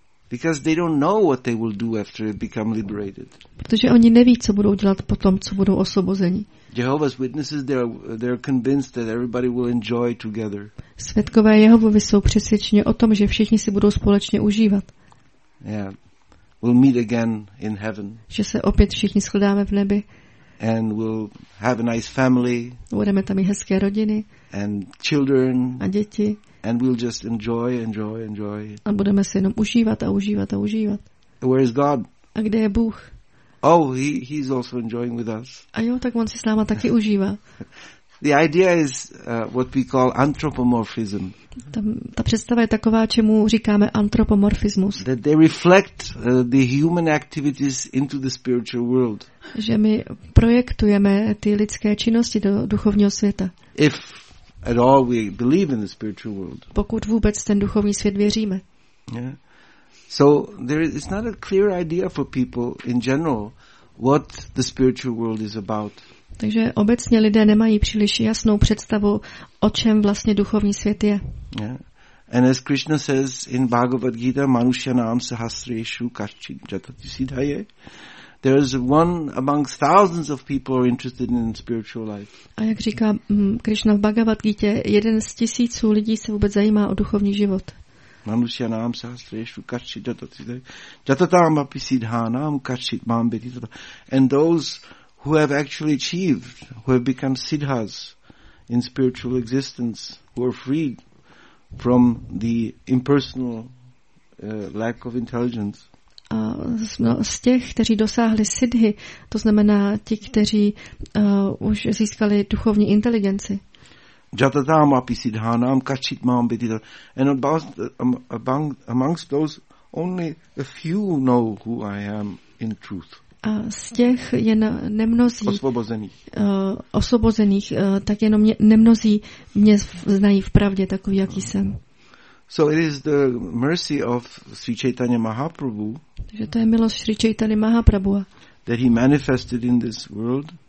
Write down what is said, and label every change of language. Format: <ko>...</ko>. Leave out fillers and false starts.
<en>Because they don't know what they will do after they become liberated.</en> <cs>Protože oni neví, co budou dělat potom, co budou osvobozeni.</cs> <en>Jehovah's Witnesses, they're convinced that everybody will enjoy together.</en> <cs>Svědkové Jehovovi jsou přesvědčeni o tom, že všichni si budou společně užívat.</cs> <en>Yeah. We'll meet again in heaven.</en> <cs>Že se opět všichni shledáme v nebi.</cs> <en>And we'll have a nice family.</en> <cs>Budeme tam i hezké rodiny.</cs> <en>And children.</en> <cs>A děti.</cs> <en>And we'll just enjoy, enjoy, enjoy.</en> <cs>A budeme si jenom užívat a užívat a užívat.</cs> <en>Where is God?</en> <cs>A kde je Bůh?</cs> <en>Oh, he's also enjoying with us.</en> <cs>A jo, tak on si s náma taky užívá.</cs> <en>The idea is what we call anthropomorphism.</en> <cs>Ta představa je taková, čemu říkáme antropomorfismus.</cs> <en>That they reflect the human activities into the spiritual world.</en> <cs>Že my projektujeme ty lidské činnosti do duchovního světa.</cs> <en>If at all we believe in the spiritual world.</en> <cs>Pokud vůbec ten duchovní svět věříme.</cs> <en>Yeah. So there is not a clear idea for people in general what the spiritual world is about.</en> <cs>Takže obecně lidé nemají příliš jasnou představu, o čem vlastně duchovní svět je.</cs> <en>Yeah. And as Krishna says in Bhagavad Gita,</en> <sa>manushyanam sahasreshu kachchit jatati siddhaye,</sa> <en>there is one amongst thousands of people who are interested in spiritual life.</en> <cs>A jak říká Krishna v Bhagavad Gita, jeden z tisíců lidí se vůbec zajímá o duchovní život.</cs> <sa>Manushyanam sahasreshu kachchit jatati siddhaye, jatatam api siddhanam kachchit mam vidita.</sa> <en>And those who have actually achieved, who have become siddhas in spiritual existence, who are freed from the impersonal lack of intelligence.</en> <cs>A z těch, kteří dosáhli siddhy, to znamená ti, kteří už získali duchovní inteligenci.</cs> <sa>Jatatam api siddhanam kachit mam vidita.</sa> <en>And amongst those, only a few know who I am in truth.</en> <cs>A z těch jen nemnozí osvobozených, tak jenom nemnozí mě znají v pravdě takový, jaký jsem.</cs> <en>So it is the mercy of Sri Chaitanya Mahaprabhu.</en> <cs>Takže to je milost Sri Chaitany Mahaprabhuva.</cs> <en>That he manifested in this world.</en>